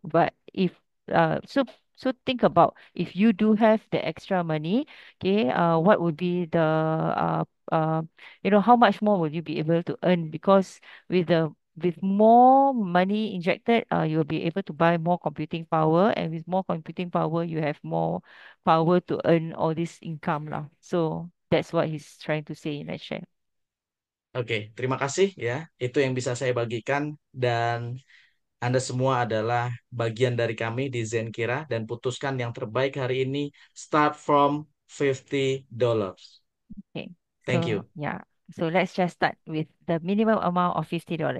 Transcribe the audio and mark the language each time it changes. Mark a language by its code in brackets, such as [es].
[en] But if so think about if you do have the extra money, okay, what would be the how much more would you be able to earn? Because with more money injected, you'll be able to buy more computing power, and with more computing power, you have more power to earn all this income lah. So that's what he's trying to say in that share. [id] Oke, terima kasih ya. Itu yang bisa saya bagikan dan Anda semua adalah bagian dari kami di Zenkira dan putuskan yang terbaik hari ini [en] start from $50. So Thank you. yeah. So let's just start with the minimum amount of $50.